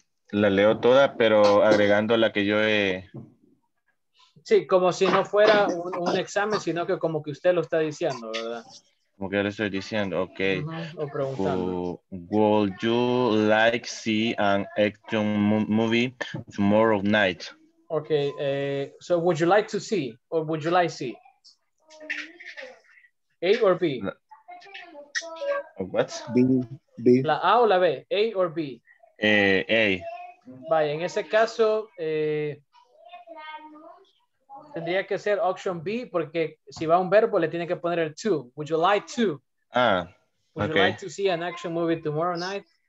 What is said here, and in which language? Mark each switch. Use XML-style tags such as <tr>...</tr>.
<es>La leo toda, pero agregando la que yo he... Sí, como si no fuera un examen, sino que como que usted lo está diciendo, ¿verdad? Como que yo le estoy diciendo, ok. Uh-huh. O preguntando.</es> <en>Would you like to see an action movie tomorrow night? Okay, so would you like to see, or would you like to see? A or B? What? B.</en> <es>La A o la B?</es> <en>A or B? A.</en> <es>Vaya, en ese caso, tendría que ser option B, porque si va un verbo, le tiene que poner el to.</es> <en>Would you like to? Would you like to see an action movie tomorrow night?</en>